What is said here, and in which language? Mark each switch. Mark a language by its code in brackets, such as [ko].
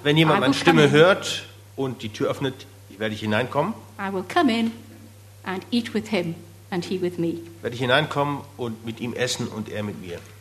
[de] wenn jemand meine Stimme hört und die Tür öffnet, werde ich hineinkommen. [en] I will come in and eat with him and he with me. [de] Werde ich hineinkommen und mit ihm essen und er mit mir.